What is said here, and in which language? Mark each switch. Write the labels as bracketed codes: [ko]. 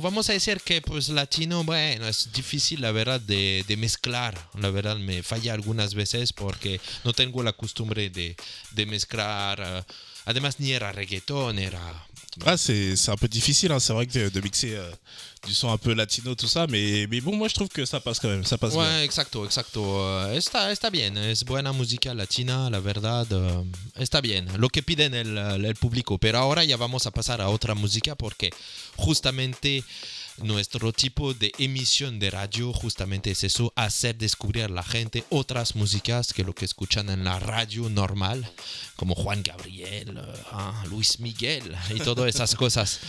[es] Vamos a decir que pues latino, bueno, es difícil la verdad de mezclar. La verdad me falla algunas veces porque no tengo la costumbre de mezclar. Además ni era reggaeton, era... [fr] Ah, c'est un peu difficile, hein. C'est vrai que de mixer du son un peu latino, tout ça, mais bon, moi je trouve que ça passe quand même, ça passe ouais, bien. [es] Ouais, exacto, exacto. Está bien, es buena música latina, la verdad. Está bien, lo que piden el público. Pero ahora ya vamos a pasar a otra música porque justamente nuestro tipo de emisión de radio justamente es eso, hacer descubrir a la gente otras músicas que lo que escuchan en la radio normal, como Juan Gabriel, Luis Miguel y todas esas cosas.